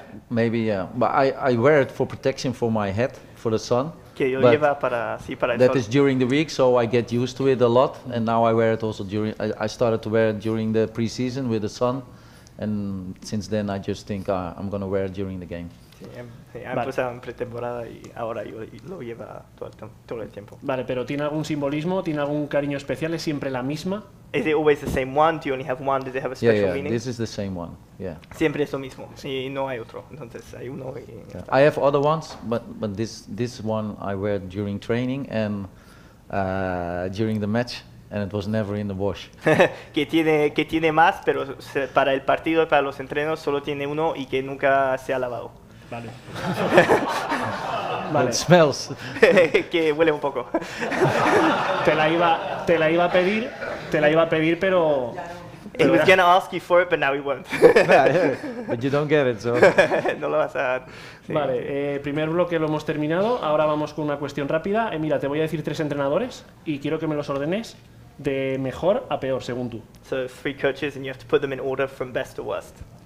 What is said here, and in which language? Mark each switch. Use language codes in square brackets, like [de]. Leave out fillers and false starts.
[en] But I wear it for protection for my head, for the sun. [es] Que yo lleva para, sí, para el [en] sol. That is during the week, so I get used to it a lot. And now I wear it also during. I started to wear it during the preseason with the sun, and since then I just think I'm gonna wear it during the game. [es] Sí, ha empezado en pretemporada y ahora lo lleva todo el tiempo. Vale, pero ¿tiene algún simbolismo? ¿Tiene algún cariño especial? ¿Es siempre la misma? [en] Is it always the same one? Do you only have one? Does it have a special meaning? Yeah, this is the same one. Yeah. [es] Siempre es lo mismo y no hay otro. Entonces hay uno. Y [en] yeah. I have other ones, but this one I wear during training and during the match. And it was never in the wash. [es] que tiene más, pero para el partido y para los entrenos solo tiene uno y que nunca se ha lavado. Vale. [en] It smells. [es] Que huele un poco. te la iba a pedir, pero. [en] He was gonna ask you for it, but now he won't. But you don't get it, so. [es] No lo vas a dar. Sí. Vale, primer bloque lo hemos terminado. Ahora vamos con una cuestión rápida. Mira, te voy a decir tres entrenadores y quiero que me los ordenes de mejor a peor, según tú. [en] So three coaches and you have to put them in order from best to worst.